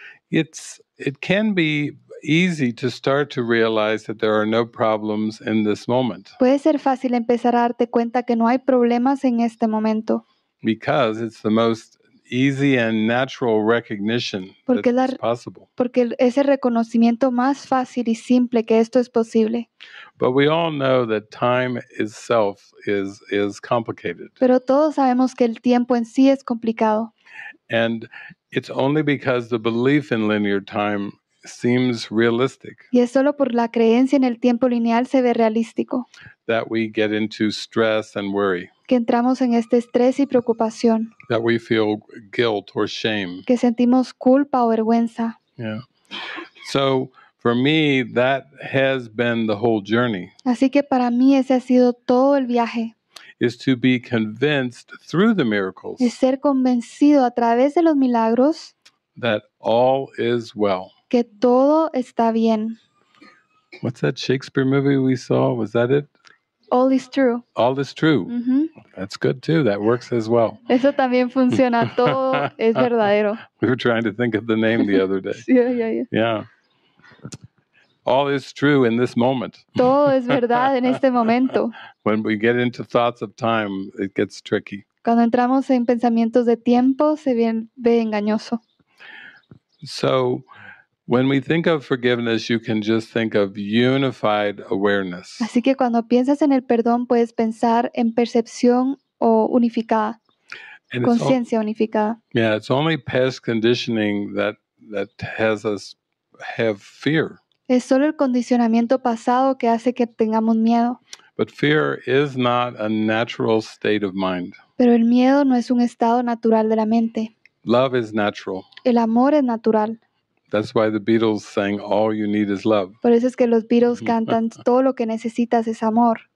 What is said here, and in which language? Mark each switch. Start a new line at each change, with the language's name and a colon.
English: It can be easy to start to realize that there are no problems in this moment.
Spanish: Puede ser fácil empezar a darte cuenta que no hay problemas en este momento.
English: Because it's the most easy and natural recognition that is possible.
Spanish: Porque es el reconocimiento más fácil y simple que esto es posible.
English: But we all know that time itself is complicated.
Spanish: Pero todos sabemos que el tiempo en sí es complicado.
English: And it's only because the belief in linear time seems realistic.
Spanish: Y es solo por la creencia en el tiempo lineal se ve realístico.
English: That we get into stress and worry.
Spanish: Que entramos en este estrés y preocupación.
English: That we feel guilt or shame.
Spanish: Que sentimos culpa o vergüenza. Yeah.
English: So for me, that has been the whole journey.
Spanish: Así que para mí ese ha sido todo el viaje.
English: Is to be convinced through the miracles.
Spanish: Es ser convencido a través de los milagros.
English: That all is well.
Spanish: Que todo está bien.
English: What's that Shakespeare movie we saw? Was that it? All is true. All is true. Mm-hmm. That's good too. That works as well.
Spanish: Eso también funciona. Todo es verdadero.
English: We were trying to think of the name the other day. Yeah. Yeah. All is true in this moment.
Spanish: Todo es verdad en este momento.
English: When we get into thoughts of time, it gets tricky.
Spanish: Cuando entramos en pensamientos de tiempo, se ve engañoso.
English: So, when we think of forgiveness, you can just think of unified awareness.
Spanish: Así que cuando piensas en el perdón, puedes pensar en percepción o unificada, conciencia unificada.
English: Yeah, it's only past conditioning that has us have fear.
Spanish: Es solo el condicionamiento pasado que hace que tengamos miedo.
English: But fear is not a natural state of mind.
Spanish: Pero el miedo no es un estado natural de la mente.
English: Love is natural.
Spanish: El amor es natural.
English: That's why the Beatles sang "All You Need Is Love."
Spanish: Por eso es que los Beatles cantan "Todo lo que necesitas es amor."